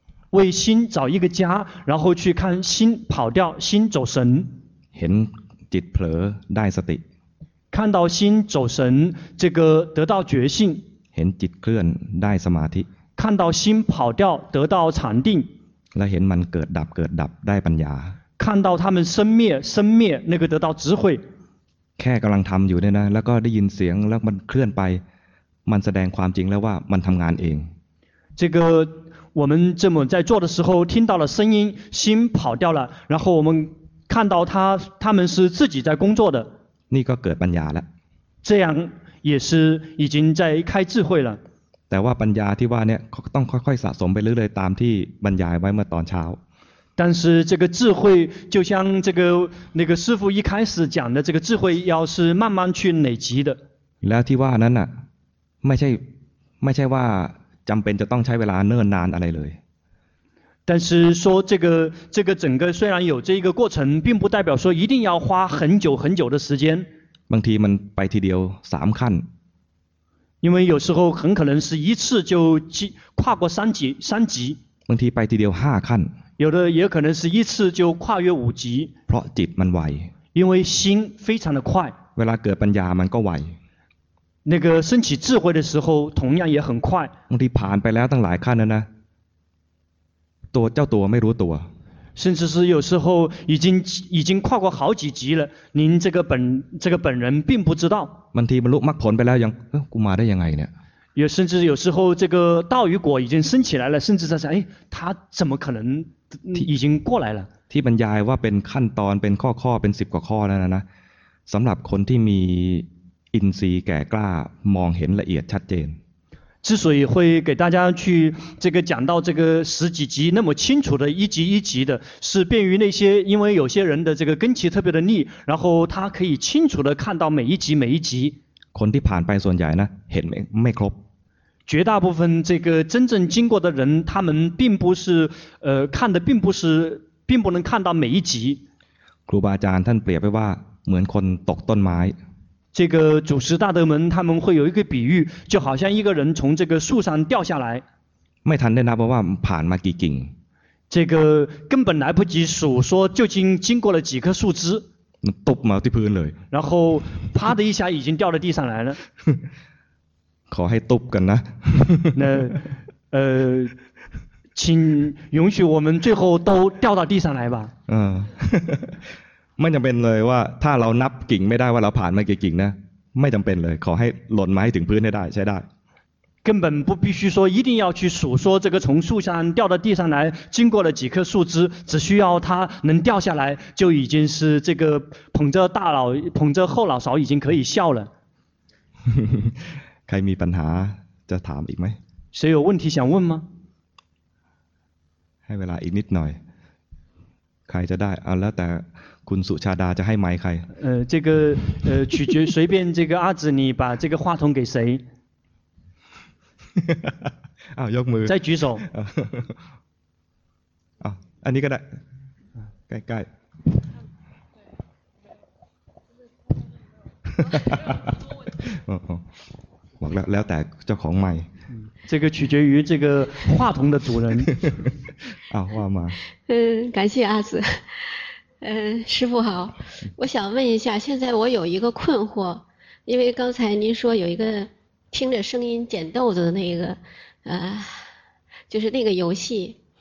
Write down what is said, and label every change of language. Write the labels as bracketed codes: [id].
[zh] 为心找一个家然后去看心跑掉心走神 [th] เห็นจิตเผลอได้สติ [zh] 看到心走神这个得到觉性 [th] เห็นจิตเคลื่อนได้สมาธิ [zh] 看到心跑掉得到禅定 [th] และเห็นมันเกิดดับได้ปัญญา [zh] 看到他们生灭那个得到智慧 [th] แค่กำลังทำอยู่เนี่ยนะแล้วก็ได้ยินเสียงแล้วมันเคลื่อนไปมันแสดงความจริงแล้วว่ามันทำงานเอง [zh] 这个我们这么在做的时候听到了声音心跑掉了然后我们看到他们是自己在工作的 [th] นี่ก็เกิดปัญญาแล้ว [zh] 这样也是已经在开智慧了 [th] แต่ว่าปัญญาที่ว่าเนี่ยต้องค่อยๆสะสมไปเรื่อยๆตามที่บรรยายไว้เมื่อตอนเช้า [zh] 但是这个智慧就像这个那个师父一开始讲的这个智慧要是慢慢去累积的 [th] แล้วที่ว่านั้นน่ะไม่ใช่ว่าจำเป็นจะต้องใช้เวลาเนิ่นนานอะไรเลย [zh] 但是说这个整个虽然有这个过程并不代表说一定要花很久很久的时间 [th] บางทีมันไปทีเดียว3ขั้น [zh] 因为有时候很可能是一次就跨过三级 [th] บางทีไปทีเดียว5ขั้น [zh] 有的也可能是一次就跨越五级 [th] เพราะจิตมันไว [zh] 因为心非常的快 [th] เวลาเกิดปัญญามันก็ไว [zh] 那个升起智慧的时候同样也很快 [th] บางทีผ่านไปแล้วตั้งหลายขั้นแล้วนะตัวเจ้าตัวไม่รู้ตัว [zh] 甚至是有时候已经跨过好几级了，您这个本人并不知道。 [th] บางทีบรรลุมรรคผลไปแล้วยังกูมาได้ยังไงเนี่ย。 [zh] 也甚至有时候这个道与果已经升起来了，甚至在想，哎，他怎么可能已经过来了？ [th] ที่บรรยายว่าเป็นขั้นตอนเป็นข้อข้อเป็นสิบกว่าข้อแล้วนะสำหรับคนที่มีอินทรีย์แก่กล้ามองเห็นละเอียดชัดเจน [zh] 之所以会给大家去这个讲到这个十几集那么清楚的一集一集的，是便于那些因为有些人的这个根基特别的利，然后他可以清楚的看到每一集每一集。 [th] คนที่ผ่านไปส่วนใหญ่นะเห็นไม่ครบ。 [zh] 绝大部分这个真正经过的人，他们并不是看的并不是并不能看到每一集。 [th] ครูบาอาจารย์ท่านเปรียบไว้ว่าเหมือนคนตกต้นไม้ [zh] 这个祖师大德们他们会有一个比喻，就好像一个人从这个树上掉下来， [th] ไม่ทันได้นับว่าผ่านมากี่กิ่ง， [zh] 这个根本来不及数说究竟经过了几棵树枝， [th] ตกมาที่พื้นเลย， [zh] 然后啪的一下已经掉到地上来了， [th] ขอให้ตกกันนะ， [zh] 那请允许我们最后都掉到地上来吧，嗯。 [th] ไม่จำเป็นเลยว่าถ้าเรานับกิ่งไม่ได้ว่าเราผ่านมากี่กิ่งนะไม่จำเป็นเลยขอให้หล่นมาให้ถึงพื้นได้ใช้ได้ [zh] 根本不必须说一定要去数说这个从树上掉到地上来经过了几棵树枝只需要它能掉下来就已经是这个捧着大佬捧着后脑勺已经可以笑了 [th] ใครมีปัญหาจะถามอีกไหม [zh] 谁有问题想问吗 [th] ให้เวลาอีกนิดหน่อยใครจะได้เอาแล้วแต่คุณสุชาดาจะให้ไมค์ใคร [zh] 这个取决随便这个阿紫你把这个话筒给谁 [th] 啊ยกมือ [zh] 再举手 [th] 啊อันนี้ก็ได้ใกล้ใกล้บอกแล้วแต่เจ้าของไม [zh] ค์这个取决于这个话筒的主人啊话嘛感谢阿紫师父好，我想问一下，现在我有一个困惑，因为刚才您说有一个听着声音捡豆子的那个，就是那个游戏。